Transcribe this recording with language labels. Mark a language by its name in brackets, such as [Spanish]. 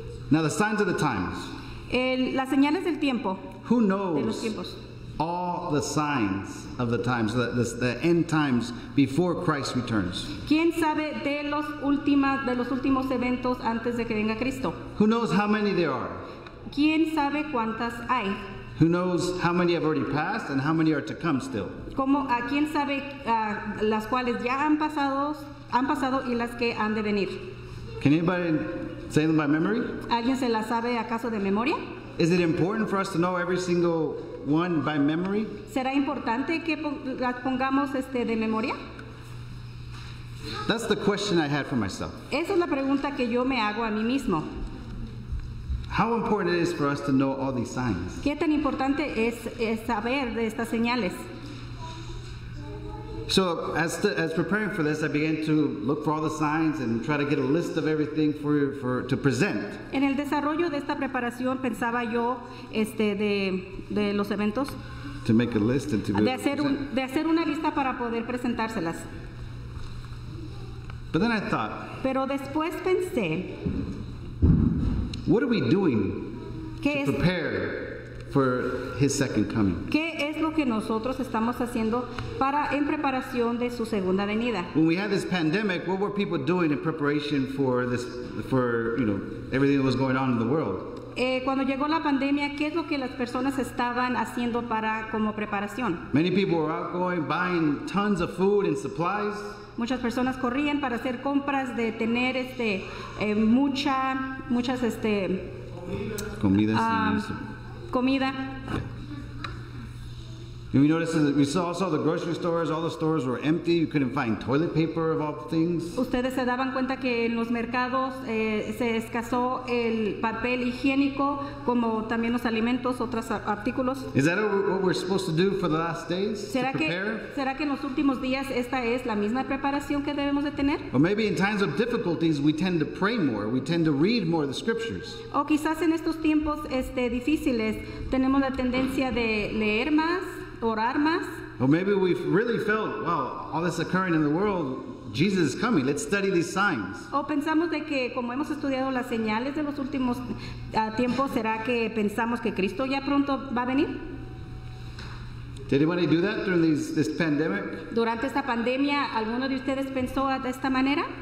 [English] Now the signs of the times. [Spanish] Las señales del tiempo. [English] Who knows all the signs of the times, the end times before Christ returns? [Spanish] ¿Quién sabe de los últimos eventos antes de que venga Cristo? [English] Who knows how many there are? [Spanish] ¿Quién sabe cuántas hay? [English] Who knows how many have already passed and how many are to come still? [Spanish] ¿Cómo, a quién sabe las cuales ya han pasado y las que han de venir? [English] Can anybody say them by memory? [Spanish] ¿Alguien se las sabe acaso de memoria? [English] Is it important for us to know every single one by memory? [Spanish] ¿Será importante que las pongamos de memoria? [English] That's the question I had for myself. [Spanish] Esa es la pregunta que yo me hago a mí mismo. [English] How important it is for us to know all these signs. [Spanish] ¿Qué tan importante es saber de estas señales? [English] So as preparing for this, I began to look for all the signs and try to get a list of everything for to present. [Spanish] En el desarrollo de esta preparación pensaba yo de los eventos. [English] To make a list and to be able to present. [Spanish] De hacer una lista para poder presentárselas. [English] But then I thought. [Spanish] Pero después pensé. [English] What are we doing to prepare for his second coming? [Spanish] ¿Qué es lo que nosotros estamos haciendo para en preparación de su segunda venida? [English] When we had this pandemic, what were people doing in preparation for this, for everything that was going on in the world? [Spanish] Cuando llegó la pandemia, ¿qué es lo que las personas estaban haciendo para como preparación? [English] Many people were out going, buying tons of food and supplies. [Spanish] Muchas personas corrían para hacer compras de tener muchas comida. Comida. [English] We noticed that we saw the grocery stores. All the stores were empty. You couldn't find toilet paper of all things. [Spanish] Ustedes se daban cuenta que en los mercados se escasó el papel higiénico, como también los alimentos, otros artículos. [English] Is that what we're supposed to do for the last days? [Spanish] ¿Será que en los últimos días esta es la misma preparación que debemos de tener? [English] Or maybe in times of difficulties we tend to pray more. We tend to read more of the scriptures. [Spanish] O quizás en estos tiempos difíciles tenemos la tendencia de leer más. [English] Or maybe we really felt, wow, all this occurring in the world, Jesus is coming. Let's study these signs. [Spanish] O pensamos de que como hemos estudiado las señales de los últimos tiempos, será que pensamos que Cristo ya pronto va a venir? [English] Did anybody do that during this pandemic? [Spanish] Durante esta pandemia, ¿alguno de ustedes pensó de esta manera?